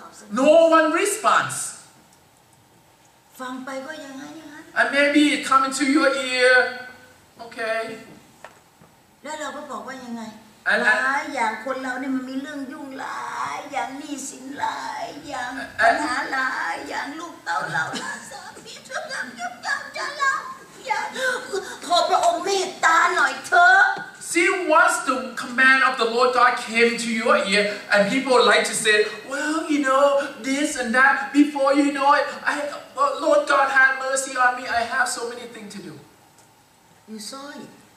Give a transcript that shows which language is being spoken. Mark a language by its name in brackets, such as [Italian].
[English] No one responds. And maybe it comes into your ear, okay? Then we say, "What?" [Thai] หลายอย่างคนเราเนี่ยมันมีเรื่องยุ่งหลายอย่างหนี้สินหลายอย่างปัญหาหลายอย่างลูกเต้าเราสามีทุกอย่างยุ่งยากจะเล่าอย่าขอพระองค์เมตตาหน่อยเถอะ [English] See once the command of the Lord God came to your ear and people like to say well you know this and that before you know it I Lord God have mercy on me I have so many things to do you saw it